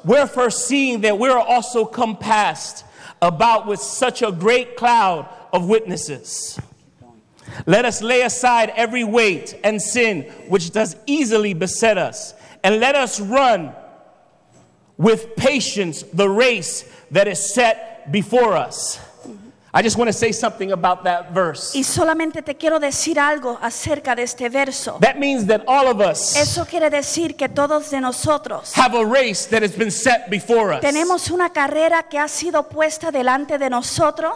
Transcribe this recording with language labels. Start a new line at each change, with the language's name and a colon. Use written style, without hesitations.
English: Wherefore seeing that we are also compassed about with such a great cloud of witnesses. Let us lay aside every weight and sin which does easily beset us. And let us run with patience the race that is set before us. I just want to say something about that verse.
Spanish: Y solamente te quiero decir algo acerca de este verso.
English: That means that all of us.
Spanish: Eso quiere decir que todos de nosotros.
English: Have a race that has been set before us.
Spanish: Tenemos una carrera que ha sido puesta delante de nosotros.